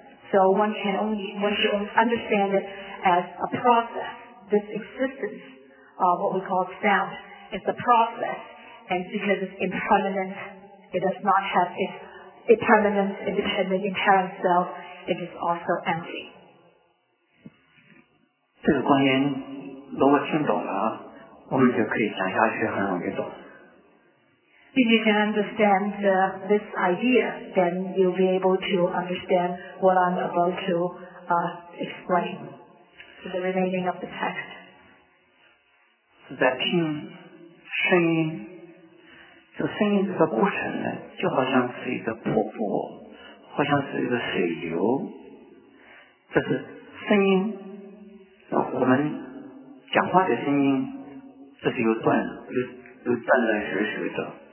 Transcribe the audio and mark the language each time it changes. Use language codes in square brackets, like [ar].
[en] So one should only understand it as a process. This existence of what we call sound is a process, and because it's impermanent, it does not have its impermanent, independent, inherent self, it is also empty. [zh] 这个观音如果听懂了，我们就可以讲下去，很容易懂。 [en] If you can understand this idea, then you'll be able to understand what I'm about to explain to the remaining of the text. [zh] 是在听声音，这个声音这个过程呢，就好像是一个瀑布，好像是一个水流，这是声音。我们讲话的声音，这是有断断续续的。